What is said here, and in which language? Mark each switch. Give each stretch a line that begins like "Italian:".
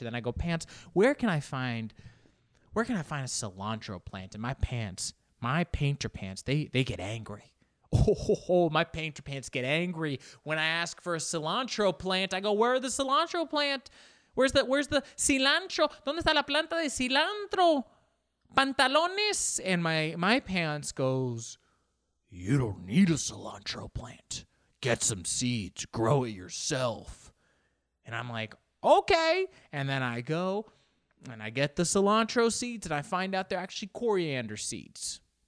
English: And then I go, pants, where can I find a cilantro plant? And my pants, my painter pants, they get angry. Oh, my painter pants get angry when I ask for a cilantro plant. I go, where are the cilantro plant? Where's the cilantro?
Spanish: ¿Dónde está la planta de cilantro? Pantalones.
English: And my pants goes, you don't need a cilantro plant. Get some seeds. Grow it yourself. And I'm like, okay. And then I go and I get the cilantro seeds and I find out they're actually coriander seeds.